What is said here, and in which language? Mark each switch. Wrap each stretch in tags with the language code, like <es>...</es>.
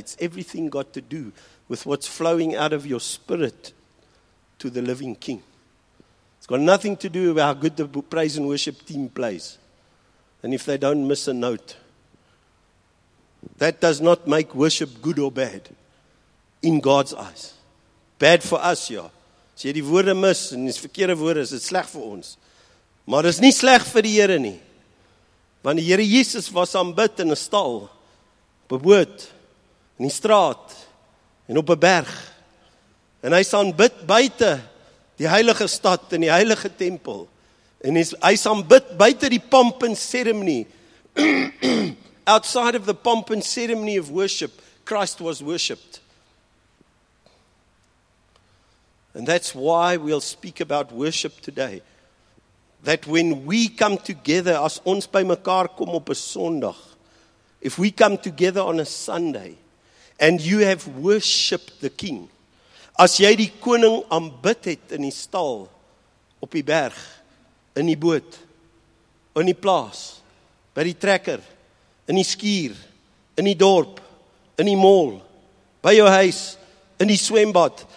<en>It's everything got to do with what's flowing out of your spirit to the living King. It's got nothing to do with how good the praise and worship team plays. And if they don't miss a note, that does not make worship good or bad in God's eyes. Bad for us, ja.</en> <af>As jy die woorde mis en die verkeerde woorde, is dit sleg vir ons. Maar dit is nie sleg vir die Here nie. Want die Here Jesus was aanbid in 'n stal, op 'n boot, in die straat, en op 'n berg, en hy sal aanbid buite die heilige stad en die heilige tempel, en hy sal aanbid buite die pomp en ceremony.</af> <en>Outside of the pomp and ceremony of worship, Christ was worshipped. And that's why we'll speak about worship today. That when we come together,</en> <af>as ons by mekaar kom op 'n Sondag,</af> <en>if we come together on a Sunday, and you have worshipped the King.</en> <af>As jy die koning aanbid het in die stal, op die berg, in die boot, in die plaas, by die trekker, in die skuur, in die dorp, in die mall, by jou huis, in die swembad.</af>